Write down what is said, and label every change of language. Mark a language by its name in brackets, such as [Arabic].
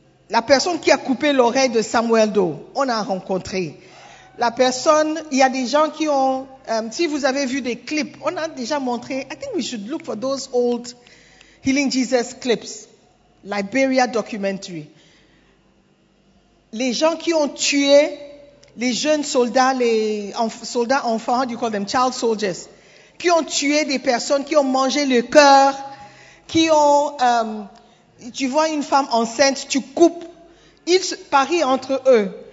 [French] La personne qui a coupé l'oreille de Samuel Doe, on a rencontré. La personne, il y a des gens qui ont... si vous avez vu des clips, on a déjà montré. [English] I think we should look for those old Healing Jesus clips. Liberia documentary. [French] Les gens qui ont tué les jeunes soldats, soldats enfants, [English] you call them child soldiers, [French] qui ont tué des personnes, qui ont mangé le cœur, qui ont... tu vois une femme enceinte, tu coupes. Ils parient entre eux.